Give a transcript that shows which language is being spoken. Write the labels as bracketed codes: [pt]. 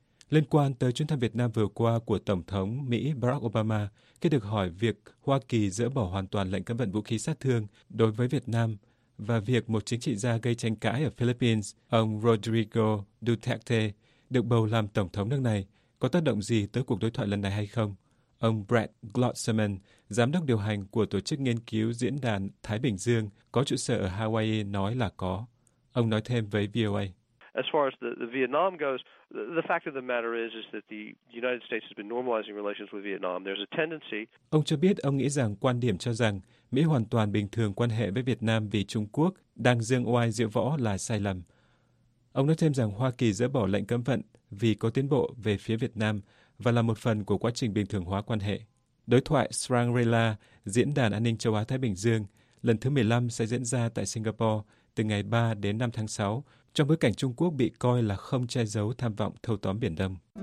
[vi] Liên quan tới chuyến thăm Việt Nam vừa qua của Tổng thống Mỹ Barack Obama, khi được hỏi việc Hoa Kỳ dỡ bỏ hoàn toàn lệnh cấm vận vũ khí sát thương đối với Việt Nam và việc một chính trị gia gây tranh cãi ở Philippines, ông Rodrigo Duterte được bầu làm Tổng thống nước này, có tác động gì tới cuộc đối thoại lần này hay không? Ông Brett Glotzerman, giám đốc điều hành của Tổ chức Nghiên cứu Diễn đàn Thái Bình Dương có trụ sở ở Hawaii nói là có. Ông nói thêm với VOA. [en] As far as the Vietnam goes, the fact of the matter is that the United States has been normalizing relations with Vietnam. There's a tendency. [vi] Ông cho biết ông nghĩ rằng quan điểm cho rằng Mỹ hoàn toàn bình thường quan hệ với Việt Nam vì Trung Quốc đang dương oai diễu võ là sai lầm. Ông nói thêm rằng Hoa Kỳ dỡ bỏ lệnh cấm vận vì có tiến bộ về phía Việt Nam và là một phần của quá trình bình thường hóa quan hệ. Đối thoại Shangri-La, Diễn đàn An ninh Châu Á-Thái Bình Dương, lần thứ 15 sẽ diễn ra tại Singapore từ ngày 3 đến 5 tháng 6, trong bối cảnh Trung Quốc bị coi là không che giấu tham vọng thâu tóm Biển Đông.